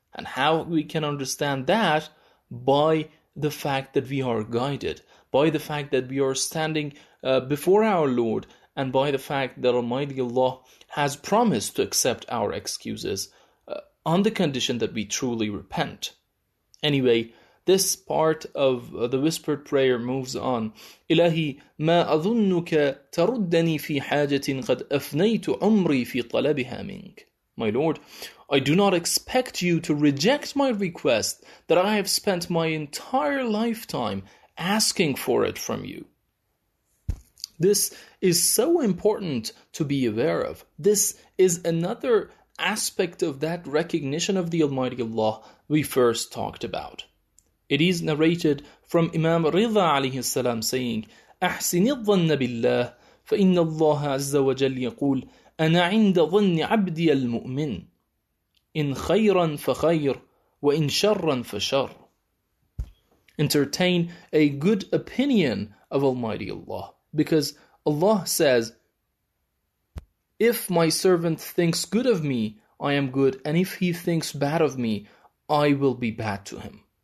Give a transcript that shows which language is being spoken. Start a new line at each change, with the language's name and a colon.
English: And how we can understand that? By the fact that we are guided, by the fact that we are standing before our Lord, and by the fact that Almighty Allah has promised to accept our excuses on the condition that we truly repent. Anyway, this part of the whispered prayer moves on.
Arabic: إلهي ما أظنك تردني في حاجة قد أفنيت عمري في طلبها منك.
English: My Lord, I do not expect you to reject my request that I have spent my entire lifetime asking for it from you. This is so important to be aware of. This is another aspect of that recognition of the Almighty Allah we first talked about. It is narrated from Imam Ridha alayhi salam saying,
Arabic: أحسن الظن بالله فإن الله عز وجل يقول أنا عند ظن عبدي المؤمن إن خيرا فخير وإن شرا فشر.
English: Entertain a good opinion of Almighty Allah, because Allah says, if my servant thinks good of me, I am good, and if he thinks bad of me, I will be bad to him.